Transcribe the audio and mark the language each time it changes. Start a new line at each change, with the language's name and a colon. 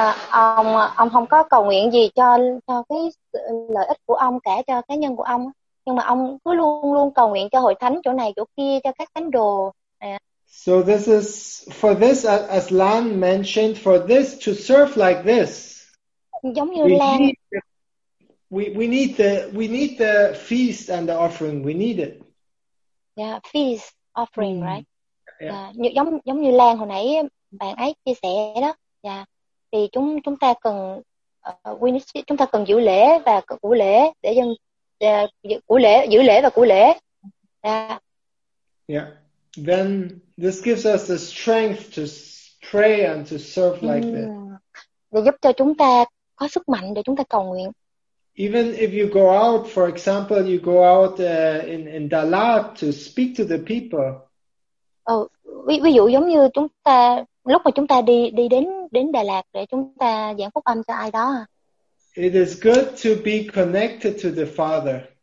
Vietnamese: Ông không có cầu nguyện gì cho cái lợi ích của ông cả cho cá nhân của ông. Nhưng mà ông cứ luôn luôn cầu nguyện cho hội thánh chỗ này chỗ kia cho các thánh đồ.
English: So this is for this, as Lan mentioned, for this to serve like this.
Vietnamese: Giống như Lan.
English: We need the feast and the offering. We need it. Yeah, feast offering, right? Yeah.
Vietnamese: Giống như Lan hồi nãy bạn ấy chia sẻ đó. Yeah. Thì chúng ta cần chúng ta cần giữ lễ và củ lễ để dân. Giữ lễ và củ lễ.
English: Yeah. Then this gives us the strength to pray and to serve like this.
Vietnamese: Để giúp cho chúng ta có sức mạnh để chúng ta cầu nguyện.
English: Even if you go out, for example, you go out in Dalat to speak to the people.
Vietnamese: Ví dụ giống như chúng ta lúc mà chúng ta đi đến Đà Lạt để chúng ta giảng phúc âm cho ai đó.
English: It is good to be connected to the Father.